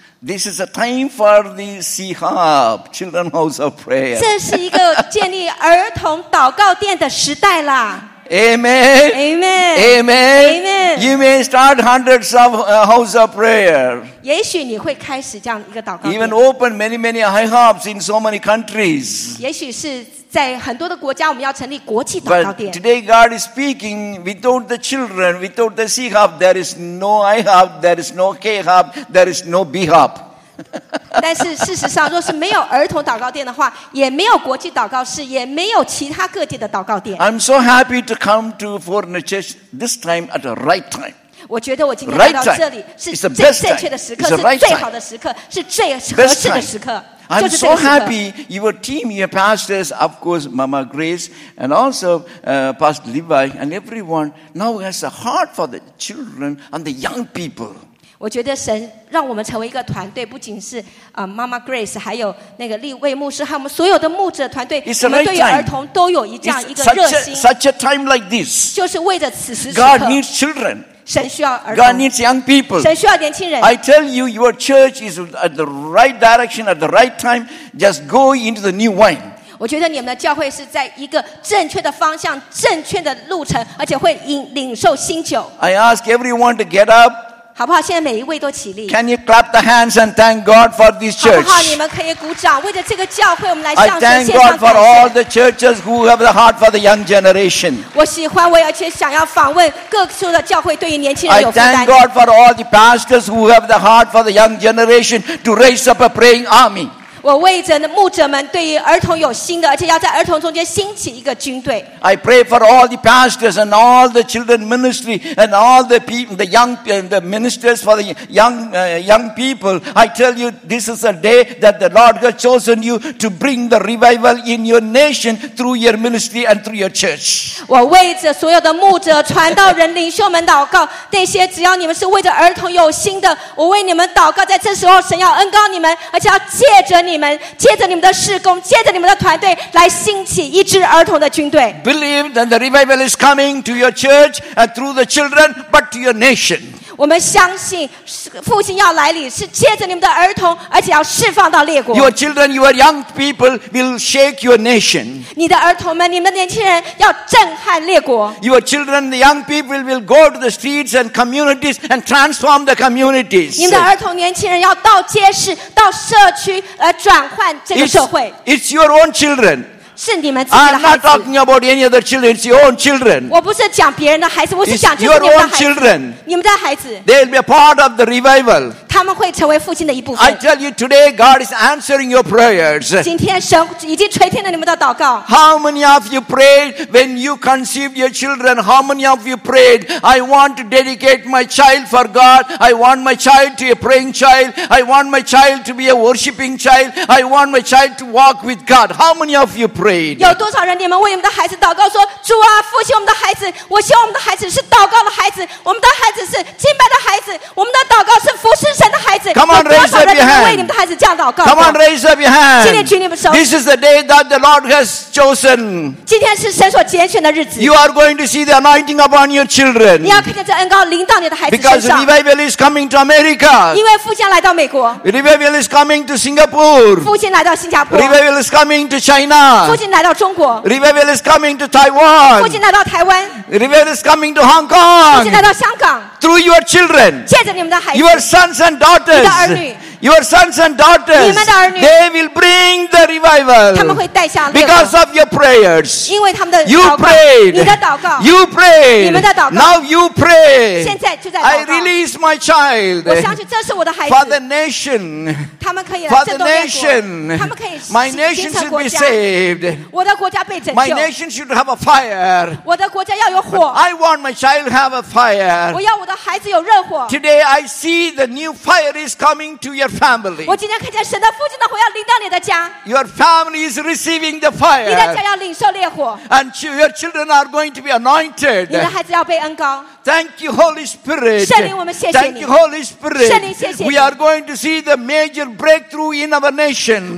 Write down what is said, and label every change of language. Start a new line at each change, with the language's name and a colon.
English: This is a time for the CHOP, Children's House of Prayer.
Chinese: 这是一个建立儿童祷告殿的时代啦。
English: Amen. Amen. Amen. Amen. You may start hundreds of house of prayer.
Chinese: 也许你会开始这样一个祷告。
English: Even open many many high hubs in so many countries.
Chinese: 也许是在很多的国家，我们要成立国际祷告点。
English: But today God is speaking. Without the children, without the C hub, there is no I hub, there is no K hub, there is no B hub.
Chinese: 但是事实上，若是没有儿童祷告殿的话，也没有国际祷告室，也没有其他各地的祷告殿。
English: I'm so happy to come to Foreigner Church this time at the right time.
Chinese: 我觉得我今天来到这里是最正确的时刻，是最好的时刻，是最合适的时刻。
English: I'm so happy your team, your pastors, of course, Mama Grace, and also Pastor Levi, and everyone now has a heart for the children and the young people.
Chinese: 我觉得神让我们成为一个团队，不仅是Mama Grace， 还有那个立位牧师和我们所有的牧者团队，我们对于儿童都有这样一个热心。
English: Such a time like this，
Chinese: 就是为着此时此刻。
English: God needs children。
Chinese: 神需要儿童。
English: God needs young people。
Chinese: 神需要年轻人。
English: I tell you, your church is at the right direction at the right time. Just go into the new wine.
Chinese: 我觉得你们的教会是在一个正确的方向、正确的路程，而且会领受新酒。
English: I ask everyone to get up.
Chinese: 好不好？现在每一位都起立。
English: Can you clap the hands and thank God for this church?
Chinese: 好不好？你们可以鼓掌，为着这个教会，我们来向神献上感谢。
English: I thank God for all the churches who have the heart for the young generation.
Chinese: 我喜欢，我而且想要访问各处的教会，对于年轻人有负担。
English: I thank God for all the pastors who have the heart for the young generation to raise up a praying army.
Chinese: 我为着牧者们对于儿童有心的，而且要在儿童中间兴起一个军队。
English: I pray for all the pastors and all the children ministry and all the people, the young, the ministers for the young, young people. I tell you, this is a day that the Lord has chosen you to bring the revival in your nation through your ministry and through your church.
Chinese: 我为着所有的牧者、传道人、领袖们祷告。那些只要你们是为着儿童有心的，我为你们祷告。在这时候，神要恩膏你们，而且要借着。你们借着你们的事工，借着你们的团队，来兴起一支儿童的军队。
English: Believe that the revival is coming to your church and through the children, but to your nation.
Chinese: 我们相信复兴要来临，是借着你们的儿童，而且要释放到列国。
English: Your children, your young people will shake your nation.
Chinese: 你的儿童们，你们的年轻人要震撼列国。
English: Your children, the young people will go to the streets and communities and transform the communities.
Chinese: 你的儿童年轻人要到街市，到社区。
English: It's your own children. I'm not talking about any other children. It's your own children.
Chinese: 我不是讲别人的孩子，我是讲就是你们的孩子。
English: Your own children.
Chinese: 你们的孩子。
English: They'll be a part of the revival.
Chinese: 他们会成为复兴的一部分。
English: I tell you today, God is answering your prayers.
Chinese: 今天神已经垂听了你们的祷告。
English: How many of you prayed when you conceived your children? How many of you prayed? I want to dedicate my child for God. I want my child to be a praying child. I want my child to be a worshiping child. I want my child to walk with God. How many of you prayed?
Chinese: 有多少人你们为你们的孩子祷告说主啊复兴我们的孩子，我希望我们的孩子是祷告的孩子，我们的孩子是敬拜的孩子，我们的祷告是服侍神的孩子。
English: Come on, raise up your hand.
Chinese: 为你们的孩子这样祷告。
English: Come on, raise up your hand.
Chinese: 今天举你们手。
English: This is the day that the Lord has chosen.
Chinese: 今天是神所拣选的日子。
English: You are going to see the anointing upon your children.
Chinese: 你要看见这恩膏临到你的孩子身上。
English: Because revival is coming to America.
Chinese: 因为复兴来到美国。
English: Revival is coming to Singapore.
Chinese: 复兴来到新加坡。
English: Revival is coming to China.
Chinese: 复兴来到中国。
English: Revival is coming to Taiwan.
Chinese: 复兴来到台湾。
English: Revival is coming to Hong Kong.
Chinese: 复兴来到香港。
English: Through your children,
Chinese: 借着你们的孩子,
English: your sons and daughters,
Chinese: 你的儿女,
English: your sons and daughters,
Chinese: 你们的儿女,
English: they will bring the revival.
Chinese: 他们会带下来,
English: because of your prayers.
Chinese: 因为他们的祷告,
English: you prayed,
Chinese: 你的祷告,
English: you prayed,
Chinese: 你们的祷告,
English: now you pray.
Chinese: 现在就在祷告,
English: I release my child.
Chinese: 我相信这是我的孩子,
English: for the nation,
Chinese: 他们可以,
English: for the nation,
Chinese: 他们可以,
English: my nation should be saved.
Chinese: 我的国家被拯救,
English: my nation should have a fire.
Chinese: 我的国家要有火,
English: I want my child to have a fire.
Chinese: 我要我的孩子有热火。
English: Today I see the new fire is coming to your family.
Chinese: 我今天看见神的父亲的火要临到你的家。
English: Your family is receiving the fire.
Chinese: 你的家要领受烈火。
English: And your children are going to be anointed.
Chinese: 你的孩子要被恩膏。
English: Thank you, Holy Spirit.
Chinese: 圣灵，我们谢谢你。
English: Thank you, Holy Spirit.
Chinese: 圣灵，谢谢你。
English: We are going to see the major breakthrough in our nation.